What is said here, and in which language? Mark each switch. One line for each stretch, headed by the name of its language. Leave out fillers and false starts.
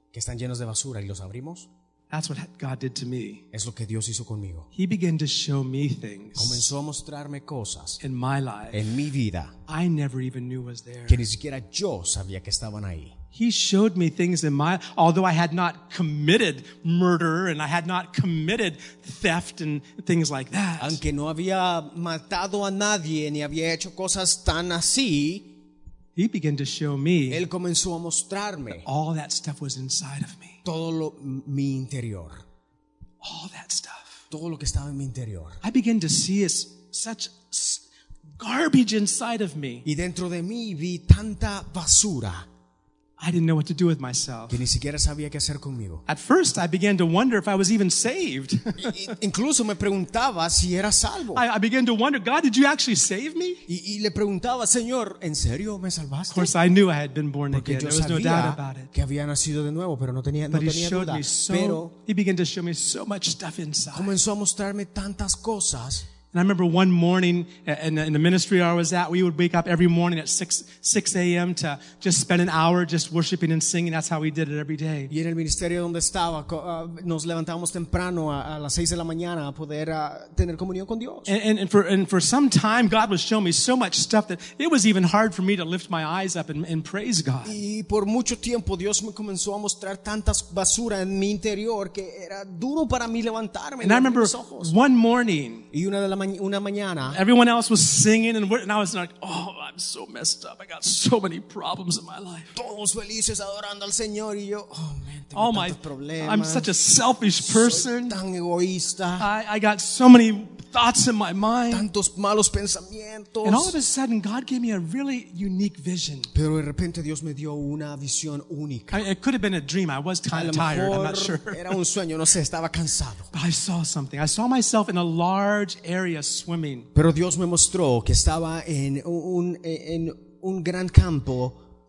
Spanish: que están llenos de basura y los abrimos.
English: That's what God did to me.
Spanish: Es lo que Dios hizo conmigo.
English: He began to show me things.
Spanish: Comenzó a mostrarme cosas.
English: In my life.
Spanish: En mi vida.
English: I never even knew was there.
Spanish: Que ni siquiera yo sabía que estaban ahí.
English: He showed me things in my, although I had not committed murder and I had not committed theft and things like that.
Spanish: Aunque no había matado a nadie ni había hecho cosas tan así.
English: He began to show me.
Spanish: Él comenzó a mostrarme.
English: That all that stuff was inside of me.
Spanish: Todo lo mi interior.
English: All that stuff.
Spanish: Todo lo que estaba en mi interior.
English: I began to see as such garbage inside of me.
Spanish: Y dentro de mí vi tanta basura.
English: I didn't know what to do with myself.
Spanish: Que ni siquiera sabía qué hacer conmigo.
English: At first, I began to wonder if I was even saved.
Spanish: Incluso me preguntaba si era salvo.
English: I began to wonder, God, did you actually save me?
Spanish: Y le preguntaba, Señor, ¿en serio me salvaste?
English: Of course, I knew I had been born
Spanish: Porque
English: again. There was no doubt about it.
Spanish: Que había nacido de nuevo, pero no tenía,
English: but
Spanish: no tenía
English: he showed
Spanish: duda.
English: Me so,
Spanish: pero
English: he began to show me so much stuff inside.
Spanish: Comenzó a mostrarme tantas cosas.
English: And I remember one morning in the ministry I was at, we would wake up every morning at 6 a.m. to just spend an hour just worshiping and singing. That's how we did it every day.
Spanish: Y en el ministerio donde estaba, nos levantábamos temprano a las 6 de la mañana a poder tener comunión con Dios.
English: And for some time, God was showing me so much stuff that it was even hard for me to lift my eyes up and praise God.
Spanish: Y por mucho tiempo, Dios me comenzó a mostrar tantas basura en mi interior que era duro para mí levantarme.
English: And I remember one morning.
Spanish: Y una de la una mañana,
English: everyone else was singing and I was like, oh, I'm so messed up. I got so many problems in my life.
Spanish: Todos felices adorando al Señor y yo,
English: oh man,
Spanish: tengo
English: all
Spanish: tantos problemas.
English: I'm such a selfish person.
Spanish: Soy tan egoísta.
English: I got so many thoughts in my mind.
Spanish: Tantos malos pensamientos.
English: And all of a sudden, God gave me a really unique vision.
Spanish: Pero de repente Dios me dio una visión única.
English: It could have been a dream. I was kind of tired. I'm not sure.
Spanish: Era un sueño. No sé. Estaba cansado.
English: But I saw something. I saw myself in a large area swimming.
Spanish: Pero Dios me mostró que estaba en un gran campo.